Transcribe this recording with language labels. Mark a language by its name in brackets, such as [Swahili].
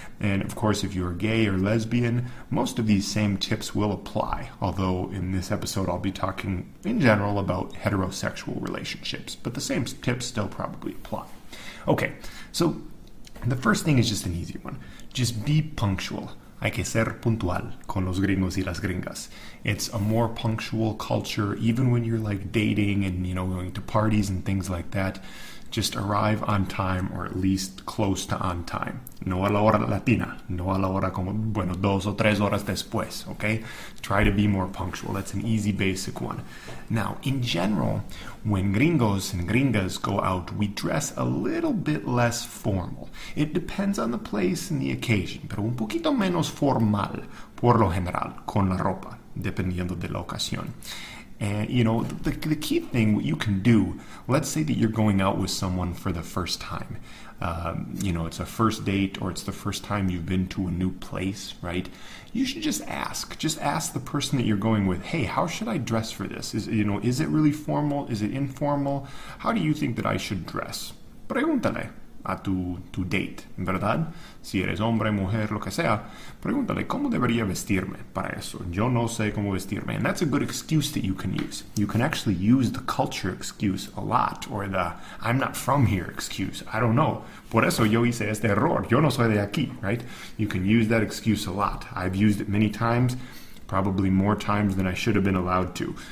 [English] And of course, if you're gay or lesbian, most of these same tips will apply, although in this episode I'll be talking in general about heterosexual relationships, but the same tips still probably apply. Okay, so the first thing is just an easy one. Just be punctual. [Spanish] Hay que ser puntual con los gringos y las gringas. [English] It's a more punctual culture, even when you're like dating and, you know, going to parties and things like that. Just arrive on time, or at least close to on time. [Spanish] No a la hora latina. No a la hora como, bueno, dos o tres horas después, okay? [English] Try to be more punctual. That's an easy, basic one. Now, in general, when gringos and gringas go out, we dress a little bit less formal. It depends on the place and the occasion, [Spanish] pero un poquito menos formal, por lo general, con la ropa, dependiendo de la ocasión. [English] And, you know, the key thing what you can do, let's say that you're going out with someone for the first time. It's a first date, or it's the first time you've been to a new place, right? You should just ask. Just ask the person that you're going with, hey, how should I dress for this? Is it really formal? Is it informal? How do you think that I should dress? [Spanish] Pregúntale a tu date, ¿verdad? Si eres hombre, mujer, lo que sea, pregúntale, ¿cómo debería vestirme para eso? Yo no sé cómo vestirme. [English] And that's a good excuse that you can use. You can actually use the culture excuse a lot, or the I'm not from here excuse. I don't know. [Spanish] Por eso yo hice este error. Yo no soy de aquí, right? [English] You can use that excuse a lot. I've used it many times, probably more times than I should have been allowed to.